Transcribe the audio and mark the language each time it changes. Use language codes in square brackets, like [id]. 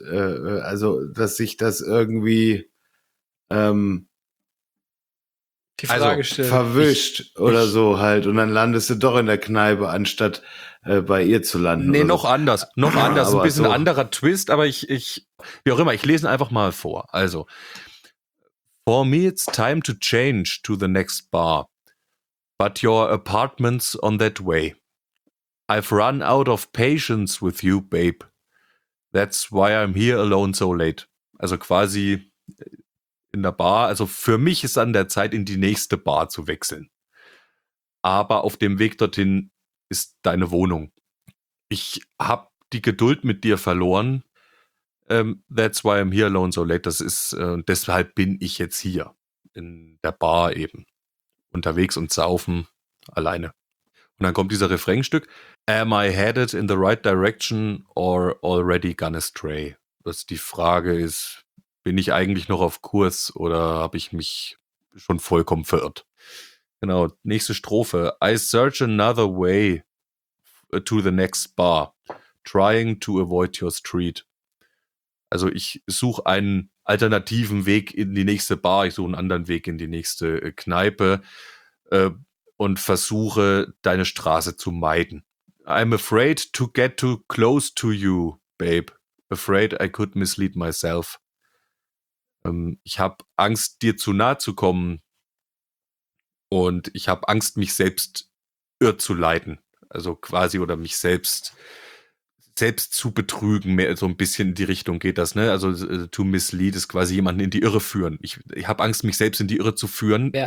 [de] Also, dass sich das irgendwie die Frage also stellt. Verwischt ich, oder ich, so halt und dann landest du doch in der Kneipe, anstatt bei ihr zu landen. Nee, noch anders. Noch anders. Ein bisschen so. Anderer Twist, aber ich, wie auch immer, ich lese einfach mal vor. [en] Also, for me it's time to change to the next bar. But your apartment's on that way. I've run out of patience with you, babe. That's why I'm here alone so late. [de] Also quasi in der Bar. Also für mich ist an der Zeit, in die nächste Bar zu wechseln. Aber auf dem Weg dorthin ist deine Wohnung. Ich habe die Geduld mit dir verloren. [en] That's why I'm here alone so late. [de] Das ist, deshalb bin ich jetzt hier in der Bar eben unterwegs und saufen alleine. Und dann kommt dieser Refrainstück. [en] Am I headed in the right direction or already gone astray? [de] Was die Frage ist, bin ich eigentlich noch auf Kurs oder habe ich mich schon vollkommen verirrt? Genau, nächste Strophe. [en] I search another way to the next bar, trying to avoid your street. [de] Also ich suche einen alternativen Weg in die nächste Bar, ich suche einen anderen Weg in die nächste Kneipe und versuche, deine Straße zu meiden. [en] I'm afraid to get too close to you, babe. Afraid I could mislead myself. [de] Ich habe Angst, dir zu nahe zu kommen. Und ich habe Angst, mich selbst irr zu leiten. Also quasi, oder mich selbst zu betrügen, mehr so ein bisschen in die Richtung geht das, ne? Also to mislead ist quasi jemanden in die Irre führen. Ich habe Angst, mich selbst in die Irre zu führen, ja.